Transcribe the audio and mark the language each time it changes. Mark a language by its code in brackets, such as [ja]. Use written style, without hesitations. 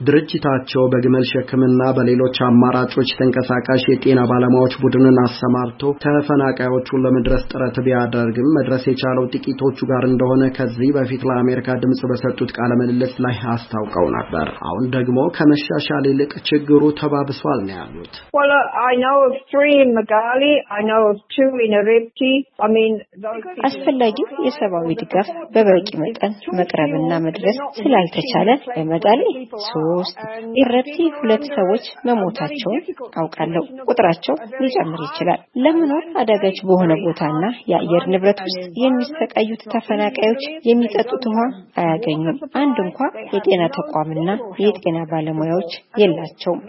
[am] ድርጅታቸው በግመል ሸክምና በሌሎች አማራጮች ተንቀሳቃሽ የጤና ባለሙያዎች ቡድንን አሰማርቶ ተፈናቃዮቹን ለመድረስ ጥረት ቢያደርግም መድረስ የቻለው ጥቂቶቹ ጋር እንደሆነ ከዚህ በፊት ለአሜሪካ ድምጽ በሰጡት ቃለ ምልልስ ላይ አስታውቀው ነበር። አሁን ደግሞ ከመሻሻል ይልቅ ችግሩ ተባብሷል ነው ያሉት። [en] Well, I know of 3 in Magali, I know of 2 in Arifti. [am] አስፈላጊ የሰባዊ ድጋፍ በበቂ መጠን መቅረብና መድረስ ስላልተቻለ በመጋሌ 3 ኢረፕቲ 2 ሰዎች መሞታቸው አውቃለሁ። ቁጥራቸው ሊጨምር ይችላል። ለምን አደጋች በሆነ ቦታና የአየር ንብረት ውስጥ የሚሰቃዩት ተፈናቃዮች የሚጠጡት ውሃ አያገኙም። አንድ እንኳን የጤና ተቋምና የጤና ባለሙያዎች የላቸውም።